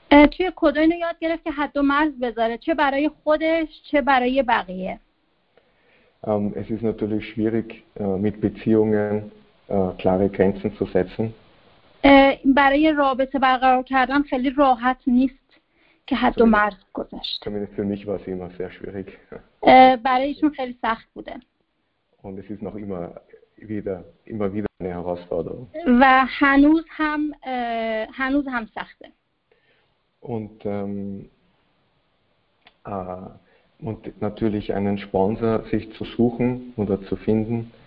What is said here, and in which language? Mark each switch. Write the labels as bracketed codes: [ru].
[fa] چه کودای نو یاد گرفت که حد و مرز بذاره، چه برای خودش، چه برای بقیه. [de] Es ist natürlich schwierig, mit Beziehungen klare Grenzen zu setzen. [fa] برای رابطه برقرار کردن خیلی راحت نیست که حد و مرز گذاشت. [de] Für mich war es immer sehr schwierig. [fa] برایشون خیلی سخت بوده. [de] Und es ist noch immer wieder eine Herausforderung. [fa] و هنوز هم سخته. [de] Und natürlich einen Sponsor sich zu suchen oder zu finden,